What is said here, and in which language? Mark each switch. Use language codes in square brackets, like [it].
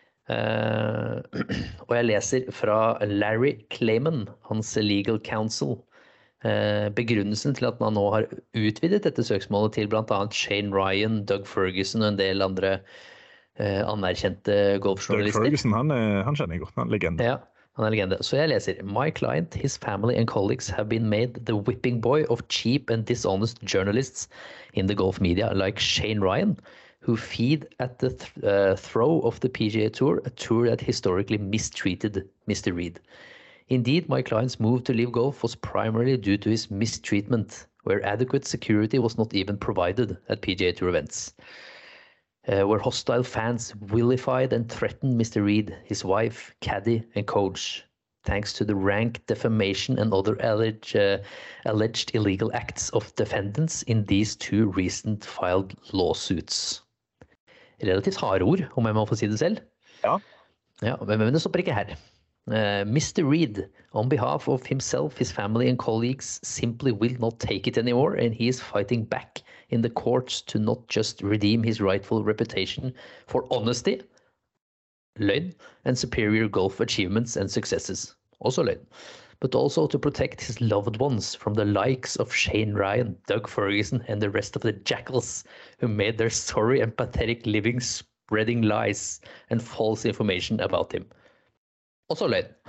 [no] Og jeg leser fra Larry Klayman, hans [en] legal counsel. [no] Begrunnelsen til at man nå har utvidet dette søksmålet til blant annet Shane Ryan, Doug Ferguson og en del andre anerkjente golfjournalister. Doug Ferguson, han kjenner jeg godt, han er legende. Ja, han er legende. Så jeg leser, [en] My client, his family and colleagues have been made the whipping boy of cheap and dishonest journalists in the golf media like Shane Ryan, who feed at the throw of the PGA Tour, a tour that historically mistreated Mr. Reed. Indeed, my client's move to leave golf was primarily due to his mistreatment, where adequate security was not even provided at PGA Tour events, where hostile fans vilified and threatened Mr. Reed, his wife, caddy, and coach, thanks to the rank defamation and other alleged illegal acts of defendants in these 2 recent filed lawsuits. [no] Relativt harde ord, om jeg må få si det selv. Ja. Ja, men det stopper ikke her. Mr. [en] Reed, on behalf of himself, his family and colleagues, simply will not take it anymore, and he is fighting back in the courts to not just redeem his rightful reputation for honesty, løgn, and superior golf achievements and successes, [no] også løgn, [en] but also to protect his loved ones from the likes of Shane Ryan, Doug Ferguson, and the rest of the jackals who made their sorry and pathetic living spreading lies and false information about him. Also late.